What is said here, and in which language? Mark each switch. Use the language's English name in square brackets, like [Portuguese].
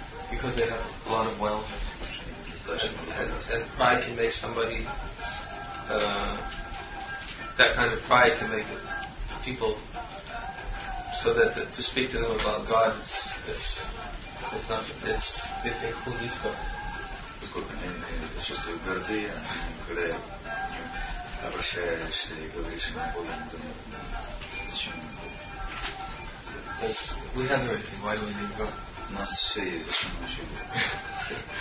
[English] Because they have a lot of wealth. And pride can make somebody that kind of pride can make it people so that to speak to them about God it's not they think who needs God. [Russian] Поскольку они зачастую горды, а когда обращаешься и говоришь на Бога, они думают, зачем нам Бог? [English] Because we have everything, why do we need God? [Russian] У нас все есть, зачем нам еще Бог?